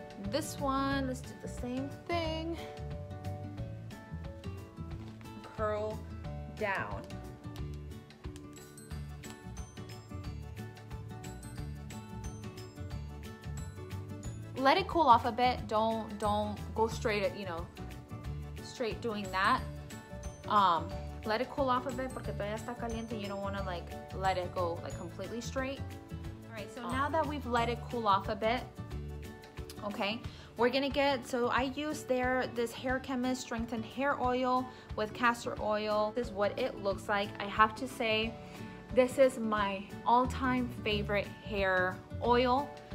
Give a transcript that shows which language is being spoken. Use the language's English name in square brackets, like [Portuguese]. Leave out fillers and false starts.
[English] This one, let's do the same thing, curl down. Let it cool off a bit. Don't go straight, you know, straight doing that. Let it cool off a bit [Spanish] porque todavía está caliente. [English] You don't want to like let it go like completely straight. All right, so now that we've let it cool off a bit, okay, We're gonna get, so I use their, this Hair Chemist Strengthened Hair Oil with Castor Oil. This is what it looks like. I have to say, this is my all-time favorite hair oil.